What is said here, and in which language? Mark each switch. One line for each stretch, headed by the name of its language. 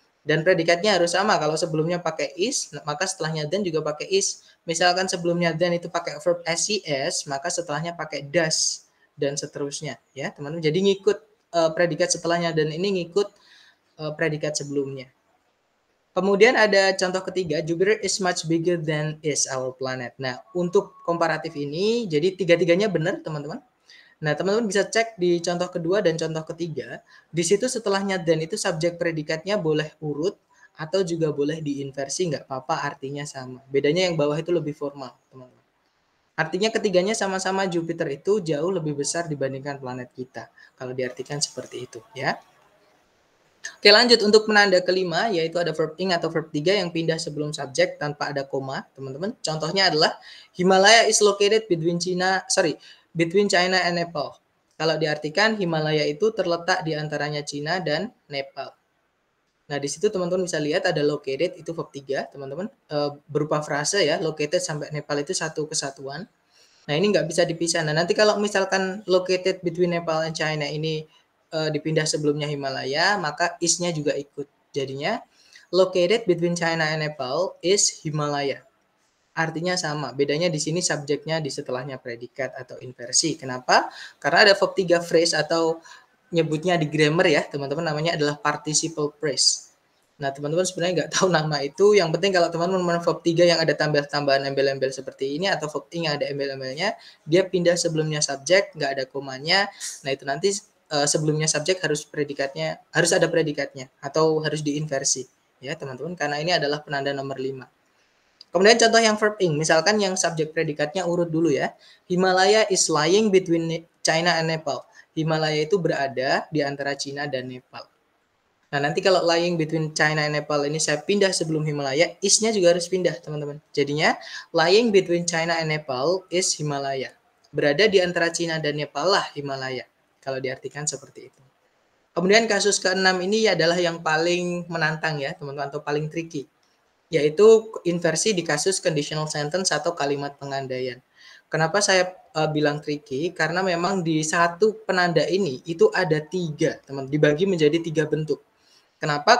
Indonesian: Dan predikatnya harus sama. Kalau sebelumnya pakai is, maka setelahnya then juga pakai is. Misalkan sebelumnya then itu pakai verb SES, maka setelahnya pakai does, dan seterusnya. Ya, teman-teman. Jadi ngikut predikat setelahnya dan ini ngikut predikat sebelumnya. Kemudian ada contoh ketiga,
English: Jupiter is much bigger than is our planet.
Indonesian: Nah, untuk komparatif ini, jadi tiga-tiganya benar, teman-teman. Nah, teman-teman bisa cek di contoh kedua dan contoh ketiga. Di situ setelahnya than itu subjek predikatnya boleh urut atau juga boleh diinversi, nggak apa-apa, artinya sama. Bedanya yang bawah itu lebih formal, teman-teman. Artinya ketiganya sama-sama Jupiter itu jauh lebih besar dibandingkan planet kita. Kalau diartikan seperti itu, ya. Oke, lanjut untuk penanda kelima, yaitu ada verb ing atau verb tiga yang pindah sebelum subjek tanpa ada koma, teman-teman. Contohnya adalah
English: Himalaya is located between China and Nepal.
Indonesian: Kalau diartikan Himalaya itu terletak di antaranya China dan Nepal. Nah, di situ teman-teman bisa lihat ada located, itu verb tiga, teman-teman, berupa frase ya, located sampai Nepal itu satu kesatuan. Nah, ini nggak bisa dipisah. Nah, nanti kalau misalkan located between Nepal and China ini dipindah sebelumnya Himalaya, maka is-nya juga ikut.
English: Jadinya, located between China and Nepal is Himalaya.
Indonesian: Artinya sama. Bedanya di sini subjeknya di setelahnya predikat atau inversi. Kenapa? Karena ada verb 3 phrase atau nyebutnya di grammar ya, teman-teman, namanya adalah participle phrase. Nah, teman-teman sebenarnya nggak tahu nama itu. Yang penting kalau teman-teman menemukan VOP 3 yang ada tambah-tambahan embel-embel seperti ini, atau VOP 3 yang ada embel-embelnya, dia pindah sebelumnya subjek, nggak ada komanya. Nah, itu nanti sebelumnya subjek harus ada predikatnya, atau harus diinversi, ya teman-teman. Karena ini adalah penanda nomor 5. Kemudian contoh yang VOP 3, misalkan yang subjek predikatnya urut dulu ya.
English: Himalaya is lying between China and Nepal.
Indonesian: Himalaya itu berada di antara China dan Nepal. Nah, nanti kalau lying between China and Nepal ini saya pindah sebelum Himalaya, is-nya juga harus pindah, teman-teman.
English: Jadinya, lying between China and Nepal is Himalaya.
Indonesian: Berada di antara China dan Nepal lah Himalaya, kalau diartikan seperti itu. Kemudian kasus ke-6 ini adalah yang paling menantang ya, teman-teman, atau paling tricky. Yaitu inversi di kasus conditional sentence atau kalimat pengandaian. Kenapa saya bilang tricky? Karena memang di satu penanda ini itu ada 3, teman, dibagi menjadi 3 bentuk. Kenapa?